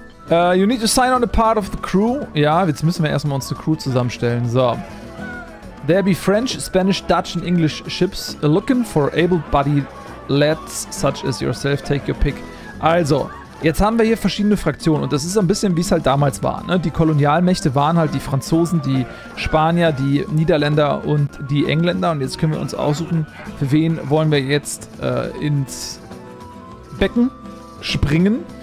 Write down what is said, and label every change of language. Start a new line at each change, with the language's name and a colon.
English: You need to sign on a part of the crew.
German: Ja, jetzt müssen wir erstmal uns eine Crew zusammenstellen. So.
English: There be French, Spanish, Dutch and English ships looking for able-bodied lads such as yourself. Take your pick. Also,
German: Jetzt haben wir hier verschiedene Fraktionen und das ist so ein bisschen, wie es halt damals war. Ne? Die Kolonialmächte waren halt die Franzosen, die Spanier, die Niederländer und die Engländer. Und jetzt können wir uns aussuchen, für wen wollen wir jetzt ins Becken springen.